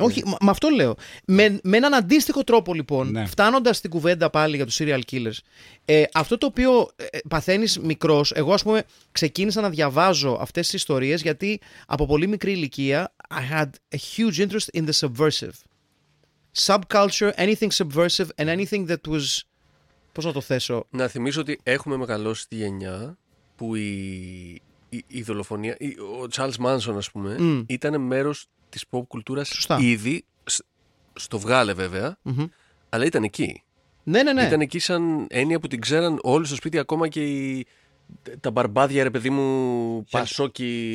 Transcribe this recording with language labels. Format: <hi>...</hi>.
<el>Όχι, ναι. Με αυτό λέω. Με έναν αντίστοιχο τρόπο λοιπόν, ναι. Φτάνοντας στην κουβέντα πάλι για τους serial killers, αυτό το οποίο παθαίνεις μικρός, εγώ ας πούμε ξεκίνησα να διαβάζω αυτές τις ιστορίες γιατί από πολύ μικρή ηλικία</el> <en>I had a huge interest in the subversive. Subculture, anything subversive and anything that was...</en> <el>Πώς να το θέσω. Να θυμίσω ότι έχουμε μεγαλώσει τη γενιά που η δολοφονία, ο Charles Manson ας πούμε, ήταν μέρος της pop κουλτούρας. Σωστά. Ήδη, στο βγάλε βέβαια, αλλά ήταν εκεί. Ναι. Ήταν εκεί σαν έννοια που την ξέραν όλοι στο σπίτι, ακόμα και τα μπαρμπάδια, ρε παιδί μου, πασόκι.</el>